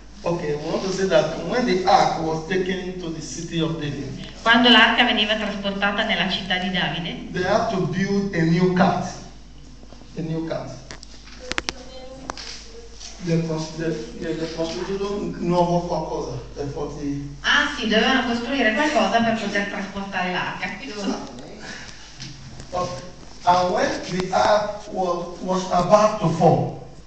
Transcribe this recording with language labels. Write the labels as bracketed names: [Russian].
[English] Okay, we want to say that when the ark was taken to the city of David. [Italian] Quando l'arca veniva trasportata nella città di Davide. [English] They had to build a new cart. A new cart. They [Italian] costruito un nuovo qualcosa per poter. Ah sì, dovevano costruire qualcosa per poter trasportare l'arca. [English] Okay. And when the ark was about to fall.